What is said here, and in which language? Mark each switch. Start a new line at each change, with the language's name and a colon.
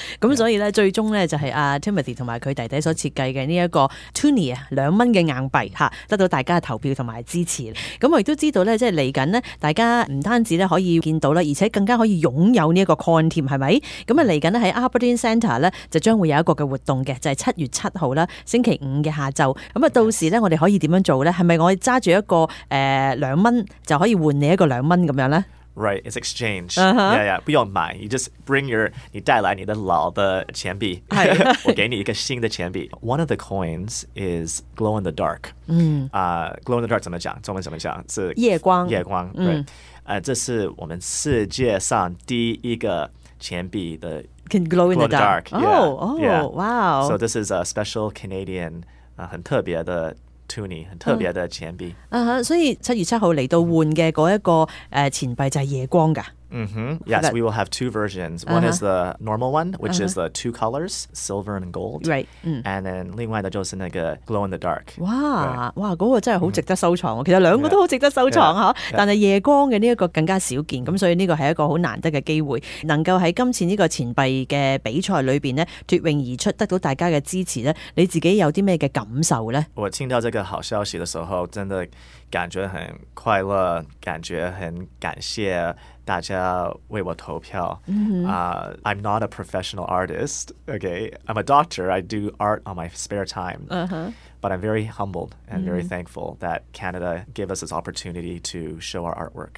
Chinese: 咁所以呢、
English: yeah.
Chinese: 最终呢就是、Timothy 和他弟弟所设计的这个 Toonie 2元的硬币得到大家的投票和支持我也知道接下来大家不单止可以见到而且更加可以拥有这个 coin 添是不是接下来在 Aberdeen Centre 就将会有一个活动就是7月7号星期五的下午到时我们可以怎样做呢是不是我揸住一个两蚊就可以换你一个两蚊咁样咧？
English: Right, it's exchange.、 Uh-huh. Yeah, yeah.
Chinese: 不用买
English: You just bring your,
Chinese: 你带来你的老的钱币。我给你一个新的钱币。
English: One of the coins is glow in the dark.、 Mm. Glow in the dark
Chinese: 怎么讲？中文怎么讲？是夜光。夜光。
English: Mm. Right.
Chinese: 这是我们世界上第一个钱币的
English: Can glow in the dark. Yeah, oh, oh, yeah. wow. So this is a special Canadian,、
Chinese: 很特别的Tuny 很特别的钱币、所以七月七号来到换的那一个、钱币就是夜光的
English: Mm-hmm. Yes, we will have two versions. One、 uh-huh. is the normal one, which、uh-huh. is the two colors, silver and gold. Right.、 And then
Chinese: 另外的就是那个
English: glow in the dark.
Chinese: 哇、
English: right.
Chinese: 哇，那个真的很值得收藏、 mm-hmm. 其实两个都很值得收藏、
English: yeah.
Chinese: 但是夜光的这个更加少见、 mm-hmm. 所以这个是一个很难得的机会能够在今次这个钱币的比赛里面脱颖而出得到大家的支持你自己有什么的感受呢我听到这个好消息的时候真的感觉很快乐感觉很感谢大家为我投票、 mm-hmm.
English: I'm not a professional artist, okay? I'm a doctor, I do art on my spare time.、 Uh-huh. But I'm very humbled and very thankful that Canada gave us this opportunity to show our artwork.